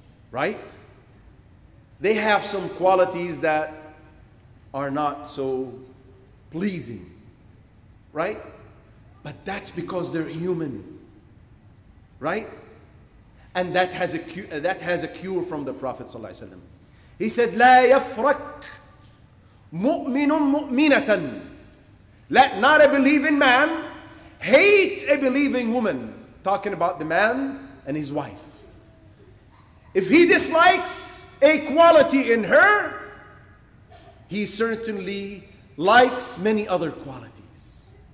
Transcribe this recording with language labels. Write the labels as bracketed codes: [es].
[en] Right? They have some qualities that are not so pleasing, right? But that's because they're human, right? And that has a cure from the Prophet ﷺ. He said, [ar] لَا يَفْرَكْ مُؤْمِنٌ مُؤْمِنَةً. [en] Let not a believing man hate a believing woman. Talking about the man and his wife. If he dislikes a quality in her, he certainly likes many other qualities.